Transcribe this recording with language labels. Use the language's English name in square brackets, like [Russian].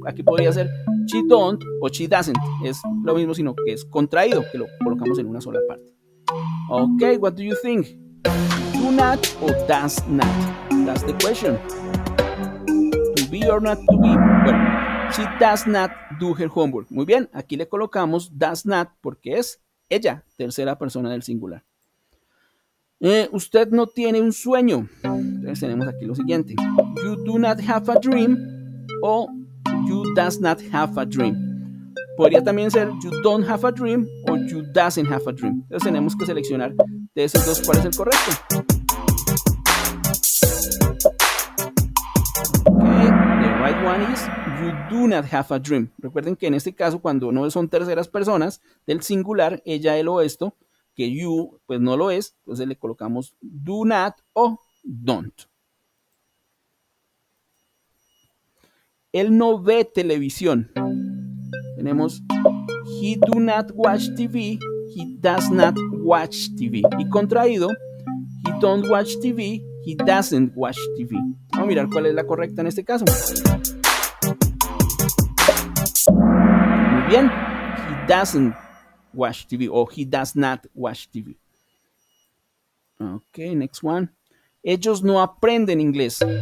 [Spanish] Aquí podría ser [English] she don't [Spanish] o [English] she doesn't. [Spanish] Es lo mismo, sino que es contraído, que lo colocamos en una sola parte. [English] Ok, what do you think? Do not o does not? That's the question. To be or not to be? [Spanish] Bueno, [English] she does not do her homework. [Spanish] Muy bien, aquí le colocamos [English] does not [Spanish] porque es ella, tercera persona del singular. Usted no tiene un sueño. Entonces tenemos aquí lo siguiente. [English] You do not have a dream o you does not have a dream. [Spanish] Podría también ser [English] you don't have a dream o you doesn't have a dream. [Spanish] Entonces tenemos que seleccionar de esos dos cuál es el correcto. [English] Okay. The right one is you do not have a dream. [Spanish] Recuerden que en este caso, cuando no son terceras personas del singular, ella, él o esto, que you, pues no lo es, entonces le colocamos [English] do not [Spanish] o [English] don't. [Spanish] Él no ve televisión. Tenemos [English] he do not watch TV, he does not watch TV. Y contraído, he don't watch TV, he doesn't watch TV. [Spanish] Vamos a mirar cuál es la correcta en este caso. Muy bien, [English] he doesn't watch TV o he does not watch TV. Ok, next one. [Spanish] Ellos no aprenden inglés.